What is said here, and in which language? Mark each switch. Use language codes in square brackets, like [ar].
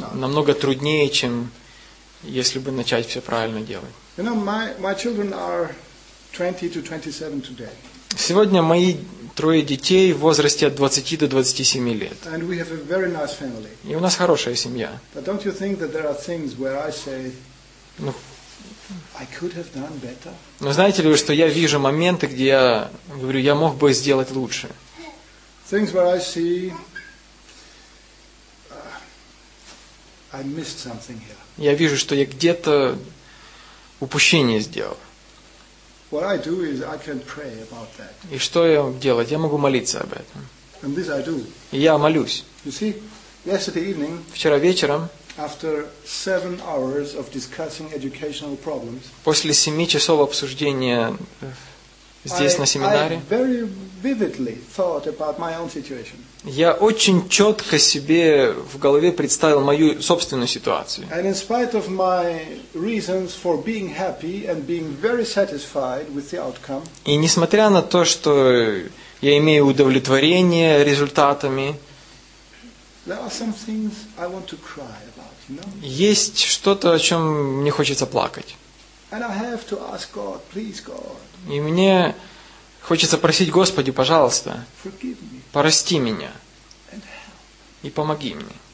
[ru] намного труднее, чем если бы начать все правильно делать. [en] You know, my children are 20 to 27 today. [ru] Сегодня мои трое детей в возрасте от 20 до 27 лет. [en] And we have a very nice family. [ru] И у нас хорошая семья. [en] But don't you think that there are things where I say, I could have done better? [ru] Но знаете ли вы, что я вижу моменты, где я говорю, я мог бы сделать лучше. [en] Things where I see, I missed something here. [ru] Я вижу, что я где-то упущение сделал. [en] What I do is I can pray about that. [ru] И что я делать? Я могу молиться об этом. [en] And this I do. [ru] И я молюсь. [en] You see, yesterday evening, [ru] вчера вечером, [en] after 7 hours of discussing educational problems, [ru] после 7 часов обсуждения здесь, на семинаре, [en] I very vividly thought about my own situation. [ru] Я очень четко себе в голове представил мою собственную ситуацию. [en] And in spite of my reasons for being happy and being very satisfied with the outcome, [ru] и несмотря на то, что я имею удовлетворение результатами, [en] there are some things I want to cry about, you know? [ru] Есть что-то, о чем мне хочется плакать. [en] And I have to ask God, please, God. [ru] И мне хочется просить, Господи, пожалуйста, прости меня и помоги мне.